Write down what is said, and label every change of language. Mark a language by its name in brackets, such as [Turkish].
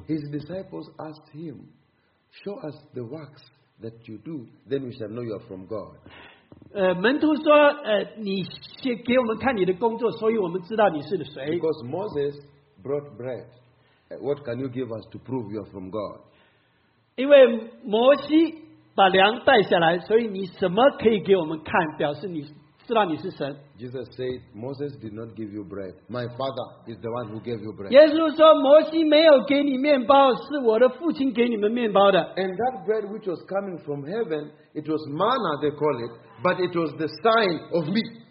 [English] His disciples asked him, show us the works that you do, then we shall know you are from God. [Chinese] 门徒说，你先给我们看你的工作，所以我们知道你是谁。 [English] Because Moses brought bread. What can you give us to prove you are from God? [Chinese] 因为摩西 把粮带下来，所以你什么可以给我们看，表示你知道你是神。 [English] Jesus said, Moses did not give you bread. My Father is the one who gave you bread. [Chinese] 耶稣说，摩西没有给你面包，是我的父亲给你们面包的。 [English] And that bread which was coming from heaven, it was manna, they call it, but it was the sign of me.